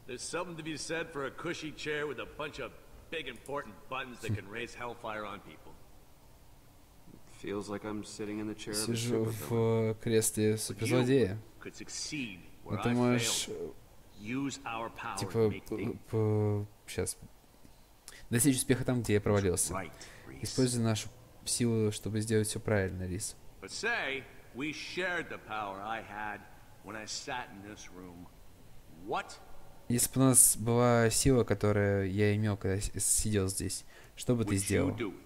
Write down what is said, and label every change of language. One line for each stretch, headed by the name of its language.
English: There's something to be said for a cushy chair with a bunch of big important buttons that can raise hellfire on people. Feels like I'm sitting in the chair of a supervillain.
Russian: Сижу в кресле суперзлодея.
English: Could succeed where I failed. Use our power
Russian: to сейчас достичь успеха там, где я провалился. Используй нашу силу, чтобы сделать все правильно, Рис.
English: But say we shared the power I had when I sat in this room. What?
Russian: Если бы у нас была сила, которую я имел, когда сидел здесь, что бы ты сделал?